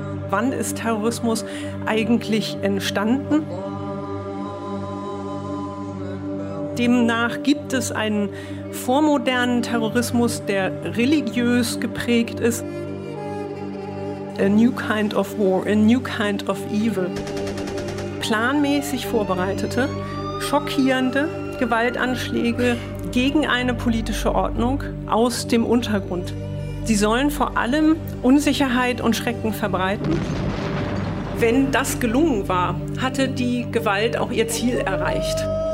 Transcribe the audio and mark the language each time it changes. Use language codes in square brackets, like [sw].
[de] Wann ist Terrorismus eigentlich entstanden? Demnach gibt es einen vormodernen Terrorismus, der religiös geprägt ist. [en] A new kind of war, a new kind of evil. [de] Planmäßig vorbereitete, schockierende Gewaltanschläge gegen eine politische Ordnung aus dem Untergrund. Sie sollen vor allem Unsicherheit und Schrecken verbreiten. Wenn das gelungen war, hatte die Gewalt auch ihr Ziel erreicht.